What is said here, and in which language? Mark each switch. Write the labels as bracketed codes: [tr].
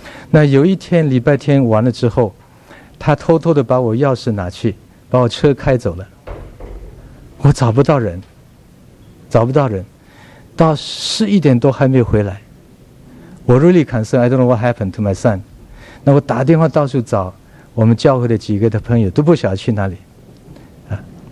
[zh] 那有一天礼拜天完了之后，他偷偷的把我钥匙拿去，把我车开走了。我找不到人，到十一点多还没回来。我 [en] really concerned, I don't know what happened to my son。 [zh] 那我打电话到处找我们教会的几个的朋友，都不晓得去哪里啊。